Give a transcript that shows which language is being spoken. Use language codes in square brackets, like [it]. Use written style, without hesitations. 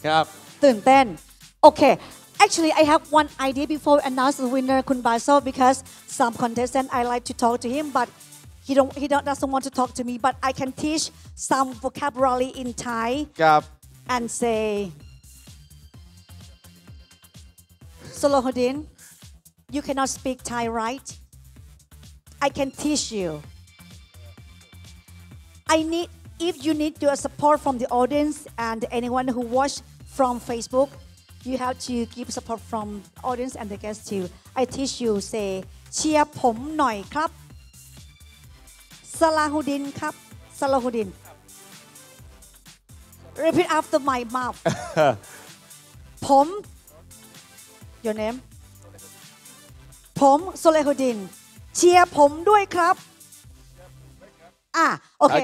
[th] ครับ ตื่นเต้น [en] Okay, actually I have one idea before we announce the winner, Khun Baso, because some contestant I like to talk to him, but he doesn't want to talk to me, but I can teach some vocabulary in Thai and say, Salahuddin, you cannot speak Thai, right? I can teach you. if you need your support from the audience and anyone who watch from Facebook, you have to give support from audience and the guests too. I teach you, say, [th] เชียร์ผมหน่อยครับ [en] ซาลาฮูดินครับ ซาลาฮูดิน Repeat after my mouth. [th] ผม [en] Your name? [th] ผม ซาลาฮูดิน เชียร์ผมด้วยครับ okay.